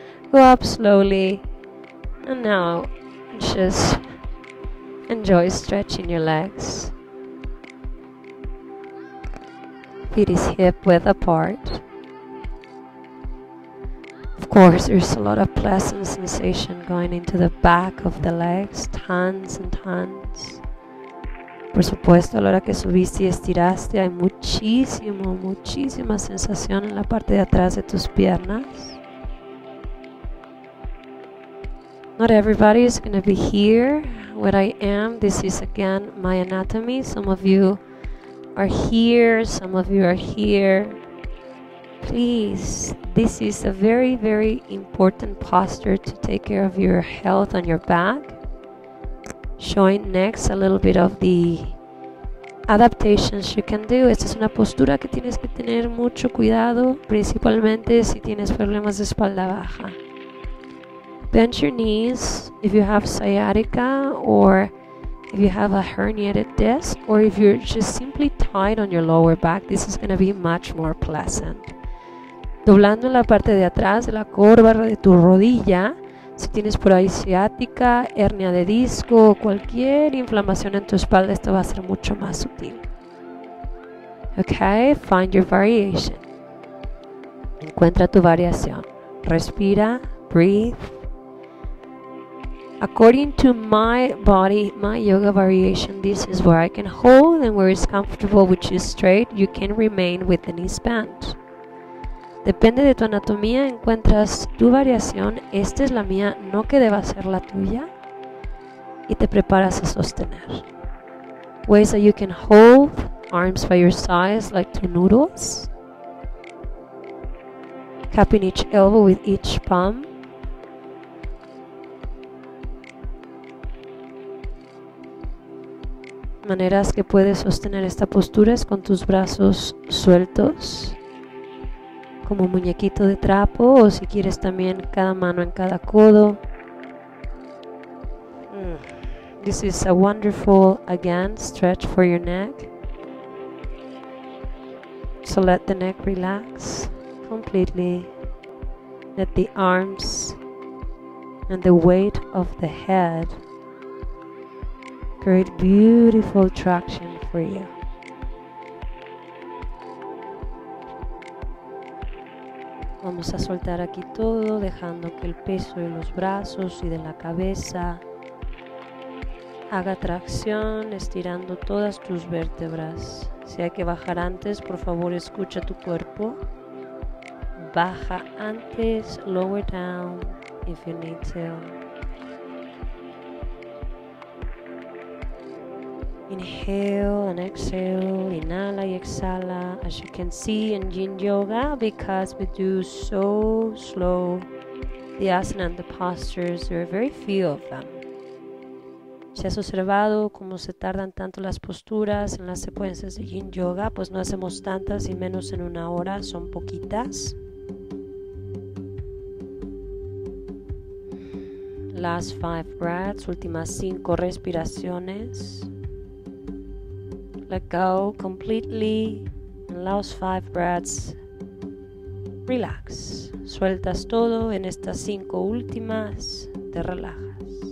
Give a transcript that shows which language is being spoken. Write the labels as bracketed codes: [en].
[en] Go up slowly. And now just enjoy stretching your legs. Feet is hip-width apart. Of course, there's a lot of pleasant sensation going into the back of the legs, tons and tons. [es] Por supuesto, a la hora que subiste y estiraste, hay muchísimo, muchísima sensación en la parte de atrás de tus piernas. [en] Not everybody is going to be here. Where I am, this is again my anatomy. Some of you are here, some of you are here. Please, this is a very, very important posture to take care of your health on your back. Showing next a little bit of the adaptations you can do. [es] Esta es una postura que tienes que tener mucho cuidado, principalmente si tienes problemas de espalda baja. [en] Bend your knees if you have sciatica or if you have a herniated disc, or if you're just simply tight on your lower back, this is going to be much more pleasant. [es] Doblando en la parte de atrás de la corva de tu rodilla, si tienes por ahí ciática, hernia de disco, cualquier inflamación en tu espalda, esto va a ser mucho más sutil. [en] Okay, find your variation. [es] Encuentra tu variación. Respira, [en] breathe. According to my body, my yoga variation, this is where I can hold and where it's comfortable, which is straight, you can remain with the knees bent. [es] Depende de tu anatomía, encuentras tu variación, esta es la mía, no que deba ser la tuya, y te preparas a sostener. [en] Ways that you can hold arms by your sides like two noodles. cupping each elbow with each palm. [es] Maneras que puedes sostener esta postura es con tus brazos sueltos, como muñequito de trapo, o si quieres también cada mano en cada codo. [en] This is a wonderful, again, stretch for your neck. So let the neck relax completely. Let the arms and the weight of the head create beautiful traction for you. [es] Vamos a soltar aquí todo, dejando que el peso de los brazos y de la cabeza haga tracción, estirando todas tus vértebras. Si hay que bajar antes, por favor, escucha tu cuerpo. Baja antes, [en] lower down if you need to. Inhale and exhale, [es] inhala y exhala, [en] as you can see in yin yoga, because we do so slow, the asana and the postures, there are very few of them. [es] Si has observado cómo se tardan tanto las posturas en las secuencias de yin yoga, pues no hacemos tantas y menos en una hora, son poquitas. [en] Last five breaths, [es] últimas cinco respiraciones. [en] Let go completely, and last five breaths, relax. [es] Sueltas todo en estas cinco últimas, te relajas.